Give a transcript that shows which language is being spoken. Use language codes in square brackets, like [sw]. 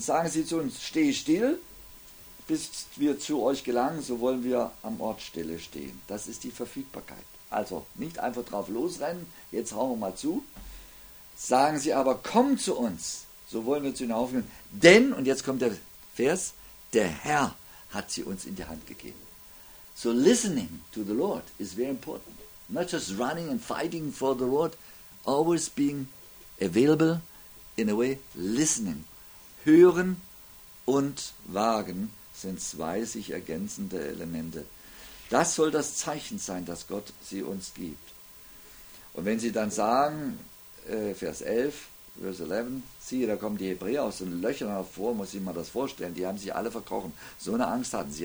[de] Sagen sie zu uns, steh still, bis wir zu euch gelangen, so wollen wir am Ort stille stehen. Das ist die Verfügbarkeit. Also nicht einfach drauf losrennen, jetzt hauen wir mal zu. Sagen sie aber, komm zu uns, so wollen wir zu ihnen aufgehen. Denn, und jetzt kommt der Vers, der Herr hat sie uns in die Hand gegeben. [en] So listening to the Lord is very important. Not just running and fighting for the Lord, always being available, in a way, listening. [de] Hören und wagen sind zwei sich ergänzende Elemente. Das soll das Zeichen sein, dass Gott sie uns gibt. Und wenn sie dann sagen, Vers 11, siehe, da kommen die Hebräer aus den Löchern hervor, muss ich mir das vorstellen, die haben sich alle verkrochen, so eine Angst hatten sie.